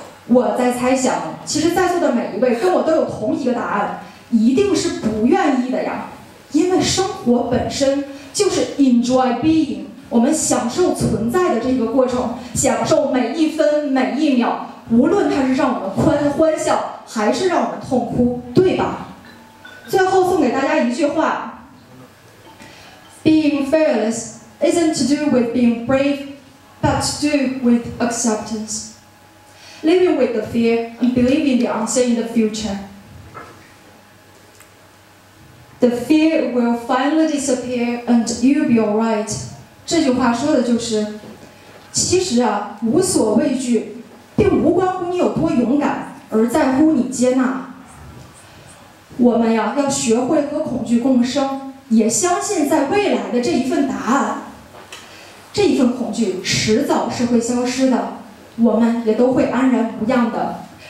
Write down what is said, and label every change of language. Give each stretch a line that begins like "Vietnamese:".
Chinese: 我在猜想，其实在座的每一位跟我都有同一个答案，一定是不愿意的呀。因为生活本身就是
English: enjoy being，
Chinese: 我们享受存在的这个过程，享受每一分每一秒，无论它是让我们欢笑还是让我们痛哭，对吧？最后送给大家一句话，
English: Being fearless isn't to do with being brave but to do with acceptance, living with the fear and believing the unseen in the future. The fear will finally disappear and you'll be alright.
Chinese: 这句话说的就是，其实啊，无所畏惧并无关乎你有多勇敢，而在乎你接纳。我们呀，要学会和恐惧共生，也相信在未来的这一份答案，这一份恐惧迟早是会消失的，我们也都会安然无恙的。